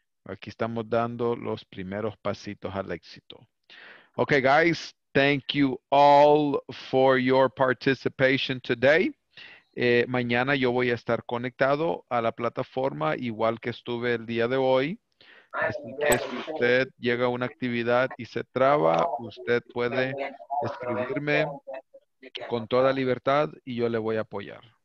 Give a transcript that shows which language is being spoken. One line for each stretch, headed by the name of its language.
Spanish: Aquí estamos dando los primeros pasitos al éxito.
English: Okay, guys, thank you all for your participation today.
Spanish: Mañana yo voy a estar conectado a la plataforma, igual que estuve el día de hoy. Así que si usted llega a una actividad y se traba, usted puede escribirme con toda libertad y yo le voy a apoyar.